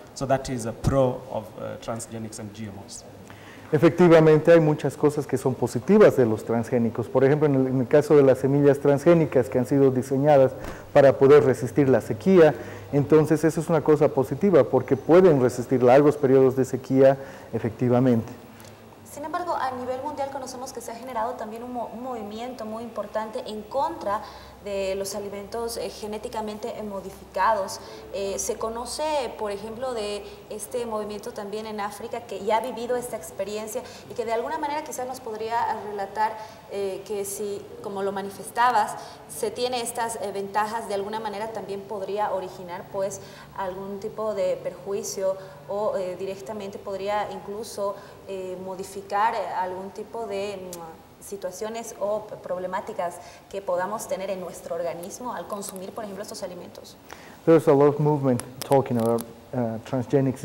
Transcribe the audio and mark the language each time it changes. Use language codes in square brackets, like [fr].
[en] So that is a pro of transgenics and GMOs. [es] Efectivamente, hay muchas cosas que son positivas de los transgénicos. Por ejemplo, en el caso de las semillas transgénicas que han sido diseñadas para poder resistir la sequía, entonces eso es una cosa positiva porque pueden resistir largos periodos de sequía, efectivamente. Sin embargo, a nivel mundial conocemos que se ha generado también un movimiento muy importante en contra de los alimentos genéticamente modificados. Se conoce, por ejemplo, de este movimiento también en África que ya ha vivido esta experiencia y que de alguna manera quizás nos podría relatar que si, como lo manifestabas, se tiene estas ventajas, de alguna manera también podría originar pues algún tipo de perjuicio o directamente podría incluso modificar algún tipo de situaciones o problemáticas que podamos tener en nuestro organismo al consumir, por ejemplo, estos alimentos. [en] There's a lot of movement talking about transgenics.